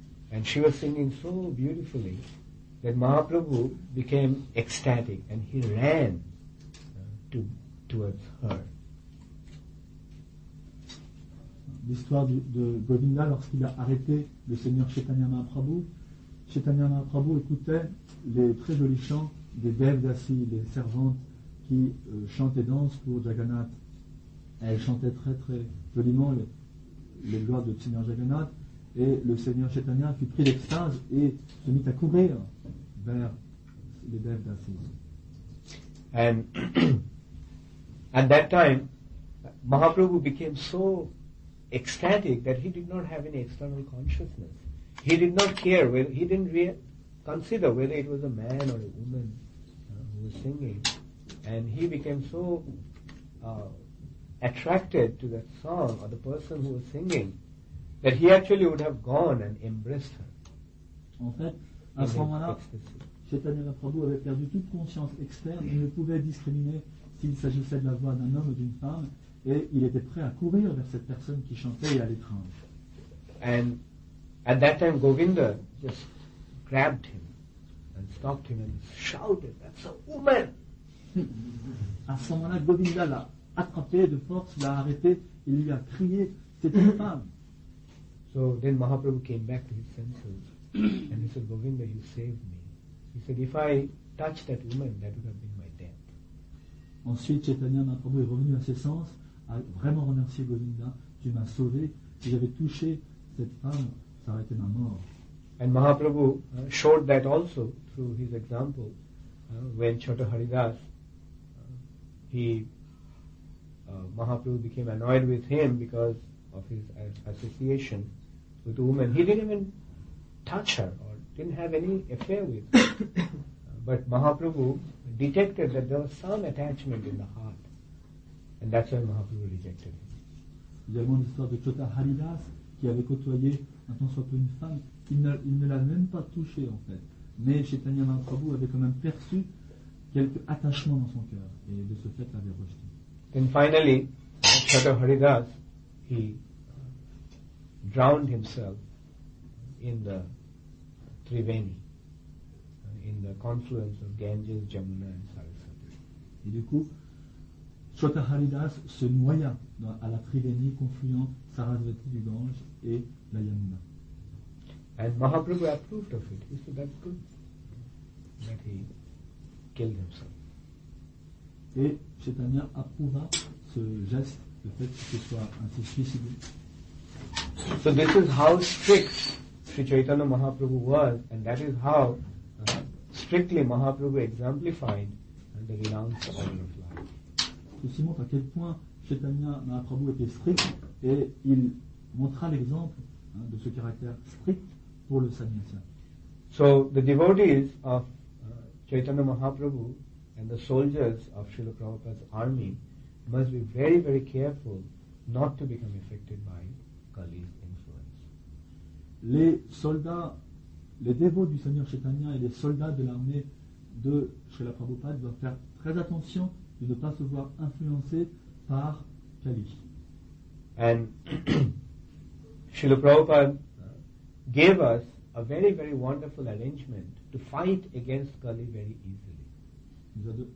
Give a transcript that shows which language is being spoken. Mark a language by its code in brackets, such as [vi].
[en] And she was singing so beautifully that Mahaprabhu became ecstatic and he ran towards her. [fr] L'histoire de Govinda lorsqu'il a arrêté le Seigneur Chaitanya Mahaprabhu. Chaitanya Mahaprabhu écoutait les très jolis chants des Devdasi, les servantes qui chantent et dansent pour Jagannath. Elles chantaient très très joliment les gloires du Seigneur Jagannath et le Seigneur Chaitanya fut pris d'extase et se mit à courir vers les Devdasi. [en] And at that time, Mahaprabhu became so ecstatic that he did not have any external consciousness. He did not care, he didn't consider whether it was a man or a woman who was singing. And he became so attracted to that song or the person who was singing that he actually would have gone and embraced her. [fr] En fait, à ce moment-là, Chaitanya Mahaprabhu avait perdu toute conscience externe et ne pouvait discriminer s'il s'agissait de la voix d'un homme ou d'une femme. Et il était prêt à courir vers cette personne qui chantait et à l'étreindre. [en] And at that time, Govinda just grabbed him and stopped him and shouted, "That's a woman!" [fr] À ce moment-là, Govinda l'a attrapé de force, l'a arrêté, il lui a crié, "C'est une femme!" [en] So then Mahaprabhu came back to his senses and he said, "Govinda, you saved me." He said, "If I touched that woman, that would have been my death." [fr] Ensuite, Chaitanya Mahaprabhu est revenu à ses sens. A vraiment remercier Govinda, tu m'as sauvé. Si j'avais touché cette femme, ça aurait été ma mort. [en] And Mahaprabhu showed that also through his example when Chhota Haridas, Mahaprabhu became annoyed with him because of his association with a woman. He didn't even touch her or didn't have any affair with her. But Mahaprabhu detected that there was some attachment in the heart. And that's why Mahaprabhu rejected him. [fr] Nous avons l'histoire de Chhota Haridas qui avait côtoyé un tant soit peu une femme. Il ne l'a même pas touchée en fait. Mais Chaitanya Mahaprabhu avait quand même perçu quelque attachement dans son cœur et de ce fait l'avait rejeté. [en] Then finally, Chhota Haridas, he drowned himself in the Triveni, in the confluence of Ganges, Jamuna and Saraswati. [fr] Et du coup, Chhota Haridas se noya à la Triveni confluant Sarasvati du Gange et la Yamuna. [en] And Mahaprabhu approved of it. He said that's good. But he killed himself. [fr] Et Chaitanya approuva ce geste, le fait que ce soit ainsi suicidé. [en] So this is how strict Sri Chaitanya Mahaprabhu was, and that is how strictly Mahaprabhu exemplified the renounced order of life. [fr] Ceci montre à quel point Chaitanya Mahaprabhu était strict, et il montra l'exemple de ce caractère strict pour le sannyasa. [en] So the devotees of Chaitanya Mahaprabhu and the soldiers of Srila Prabhupada's army must be very, very careful not to become affected by Kali's influence. [fr] Les soldats, les dévots du Seigneur Chaitanya et les soldats de l'armée de Srila Prabhupada doivent faire très attention de ne pas se voir influencés par Kali. [en] And Srila Prabhupada gave us a very, very wonderful arrangement to fight against Kali very easily.